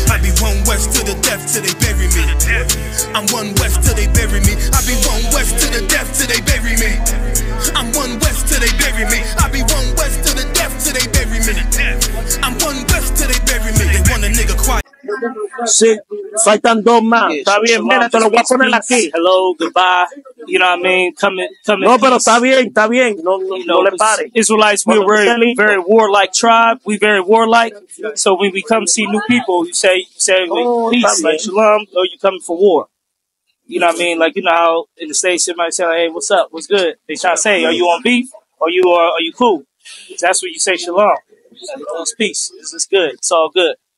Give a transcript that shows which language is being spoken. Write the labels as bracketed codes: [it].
[en] I be one west to the death till they bury me. I'm one west till they bury me. I be one west to the death till they bury me. I'm one west till they bury me. I be one west to the death till they bury me. I'm one west till they bury me. They want a nigga quiet. [es] Sí, soy tan dos más. Está bien, mira, te lo voy a poner aquí. [en] Hello, goodbye. You know what I mean? Come in. [es] No, pero está bien, no, no, [en] you know, [es] no le pare. [en] Israelites, we're a very, very warlike tribe. We're very warlike. So when we come see new people, you say peace, like, shalom, or you coming for war. You know what I mean? Like, you know how in the States, somebody say, like, hey, what's up? What's good? They try to say, are you on beef? Are you cool? That's when you say shalom. It's peace. This is good. It's all good.